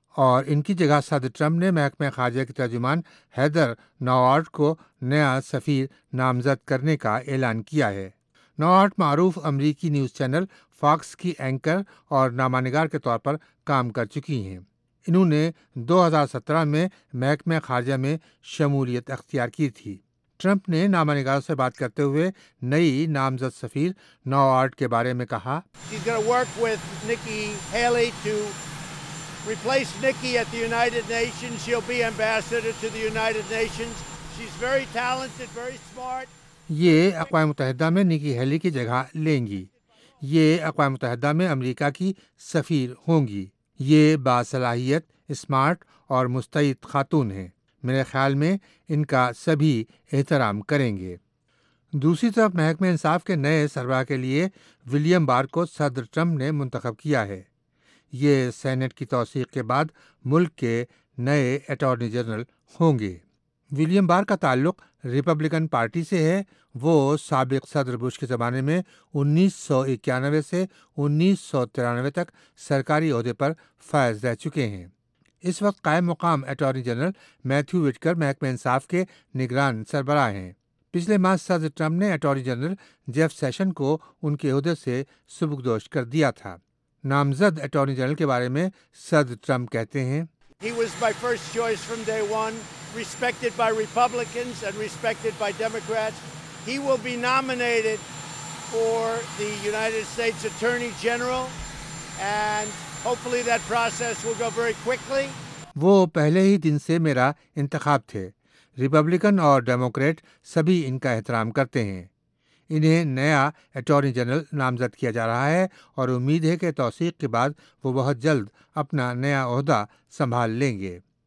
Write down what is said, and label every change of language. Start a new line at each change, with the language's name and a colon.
Urdu: اور ان کی جگہ صدر ٹرمپ نے محکمہ خارجہ کے ترجمان ہیدر نوارٹ کو نیا سفیر نامزد کرنے کا اعلان کیا ہے۔ نوارٹ معروف امریکی نیوز چینل فاکس کی اینکر اور نامہ نگار کے طور پر کام کر چکی ہیں۔ انہوں نے 2017 میں محکمہ خارجہ میں شمولیت اختیار کی تھی۔ ٹرمپ نے نامہ نگاروں سے بات کرتے ہوئے نئی نامزد سفیر نوارٹ کے بارے میں کہا،
English: She's gonna work with Nikki Haley to replace Nikki at the United Nations. She'll be ambassador to the United Nations. She's very talented, very smart.
Urdu: یہ اقوام متحدہ میں نکی ہیلی کی جگہ لیں گی۔ یہ اقوام متحدہ میں امریکہ کی سفیر ہوں گی۔ یہ باصلاحیت، اسمارٹ اور مستعد خاتون ہیں۔ میرے خیال میں ان کا سبھی احترام کریں گے۔ دوسری طرف محکمہ انصاف کے نئے سربراہ کے لیے ولیم بار کو صدر ٹرمپ نے منتخب کیا ہے۔ یہ سینٹ کی توثیق کے بعد ملک کے نئے اٹارنی جنرل ہوں گے۔ ولیم بار کا تعلق ریپبلکن پارٹی سے ہے۔ وہ سابق صدر بش کے زمانے میں 1991 سے 1993 تک سرکاری عہدے پر فائز رہ چکے ہیں۔ اس وقت قائم مقام اٹارنی جنرل میتھیو وٹکر محکمہ انصاف کے نگران سربراہ ہیں۔ پچھلے ماہ صدر ٹرمپ نے اٹارنی جنرل جیف سیشن کو ان کے عہدے سے سبکدوش کر دیا تھا۔ نامزد اٹارنی جنرل کے بارے میں صدر ٹرمپ کہتے ہیں،
English: He was my first choice from day one. Respected by Republicans and respected by Democrats, he will be nominated for the United States Attorney General and hopefully that process will go very quickly.
Urdu: وہ پہلے ہی دن سے میرا انتخاب تھے۔ Republican اور Democrat سبھی ان کا احترام کرتے ہیں۔ انہیں نیا اٹارنی جنرل نامزد کیا جا رہا ہے اور امید ہے کہ توثیق کے بعد وہ بہت جلد اپنا نیا عہدہ سنبھال لیں گے۔